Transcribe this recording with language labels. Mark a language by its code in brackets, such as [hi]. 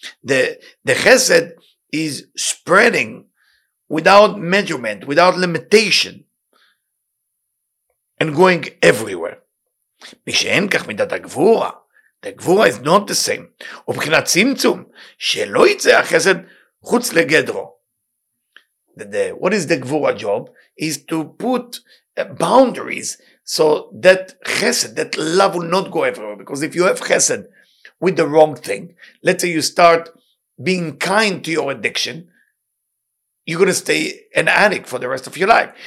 [en] The chesed is spreading without measurement, without limitation, and going everywhere. [he] משאין כך מידת הגבורה. הגבורה [en] is not the same. [he] ובחינת צמצום, שלא יצא החסד חוץ לגדרו. [en] What is the גבורה job? Is to put boundaries so that chesed, that love will not go everywhere. Because if you have chesed with the wrong thing, let's say you start being kind to your addiction, you're going to stay an addict for the rest of your life.